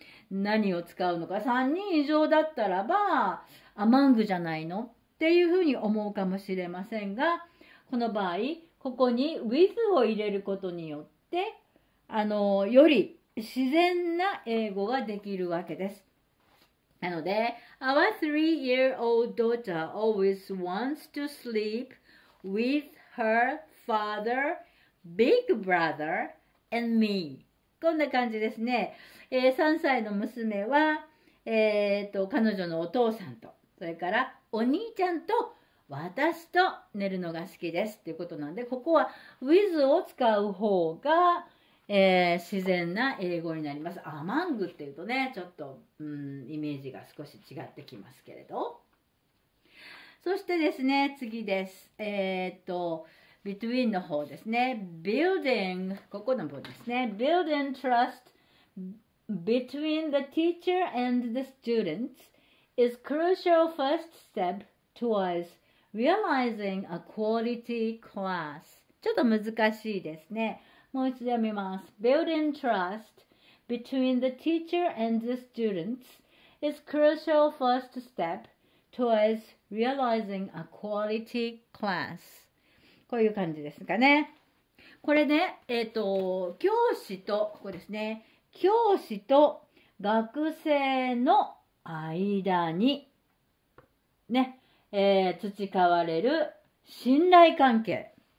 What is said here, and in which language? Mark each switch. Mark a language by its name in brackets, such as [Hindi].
[Japanese] 何を使うのか、3人以上だったらばアマングじゃないのっていうふうに思うかもしれませんが、この場合ここに with を入れることによって、より自然な英語ができるわけです。なので [English] Our three-year-old daughter always wants to sleep with her father, big brother and me. [Japanese] こんな感じですね、3歳の娘は、彼女のお父さんと、それからお兄ちゃんと私と寝るのが好きですっていうことなんで、ここは with を使う方が、自然な英語になります。アマングっていうとね、ちょっと、イメージが少し違ってきますけれど。そしてですね、次です。between の方ですね。 building、ここの部分ですね。 [English] building trust between the teacher and the students is crucial first step towards realizing a quality class. [Japanese] ちょっと難しいですね。もう一度読みます。 [English] Building trust between the teacher and the students is crucial first step towards realizing a quality class. [Japanese] こういう感じですかね。これね、教師と、ここですね、教師と学生の間に、ね、培われる信頼関係。